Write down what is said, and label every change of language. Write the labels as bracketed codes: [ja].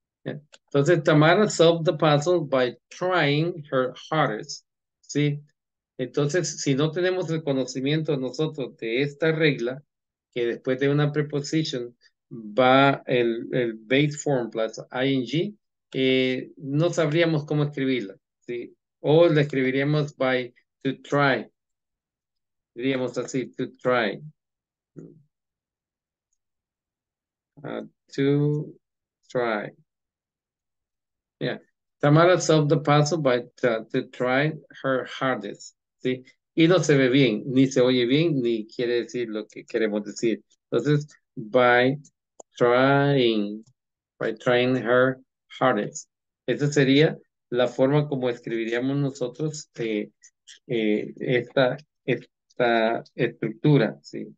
[es] Entonces, [en] Tamara solved the puzzle by trying her hardest. [es] ¿Sí? Entonces, si no tenemos el conocimiento nosotros de esta regla, que después de una preposición va el base form plus ing, no sabríamos cómo escribirla. ¿Sí? O la escribiríamos [en] by to try. [es] Diríamos así, [en] to try. To try. Yeah. Tamara solved the puzzle by to try her hardest. [es] ¿Sí? Y no se ve bien, ni se oye bien, ni quiere decir lo que queremos decir. Entonces, [en] by trying her hardest. [es] Esa sería la forma como escribiríamos nosotros esta estructura. ¿Sí?